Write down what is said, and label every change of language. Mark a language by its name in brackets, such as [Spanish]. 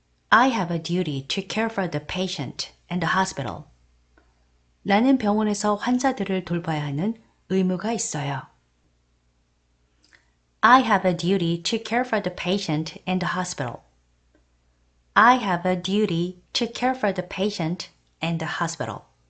[English] I have a duty to care for the patient and the hospital. [Korean] 나는 병원에서 환자들을 돌봐야 하는 의무가 있어요. [English] I have a duty to care for the patient and the hospital. I have a duty to care for the patient and the hospital.